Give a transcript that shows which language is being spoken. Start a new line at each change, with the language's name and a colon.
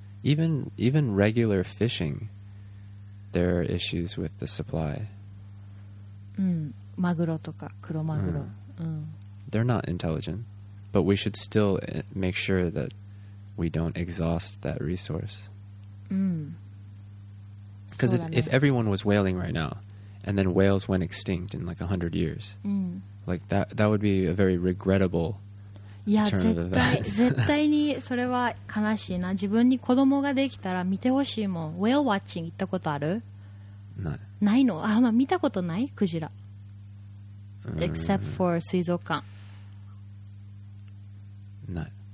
English: Even regular fishing, there are issues with the supply.
Japanese: マグロとかクロマグロ、
English: They're not intelligent, but we should still make sure that we don't exhaust that resource. Because if everyone was whaling right now, and then whales went extinct in like 100 years, like that would be a very regrettable turn of events.
Japanese: いや、絶対にそれは悲しいな。自分に子供ができたら見てほしいもん。ウェールウォッチング行ったことある？ないの？あ、まあ、見たことない？クジラ。
English: Except for
Japanese: 水族館。ない。